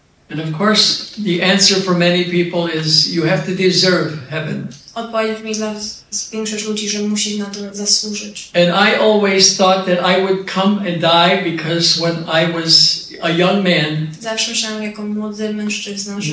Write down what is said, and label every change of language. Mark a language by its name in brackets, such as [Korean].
[English] And of course, the answer for many people is you have to deserve heaven. [Polish] Odpowiedź mi dla większości ludzi, że musisz na to zasłużyć. [English] And I always thought that I would come and die because when I was a young man, [Polish] zawsze myślałem, jako młody mężczyzna, że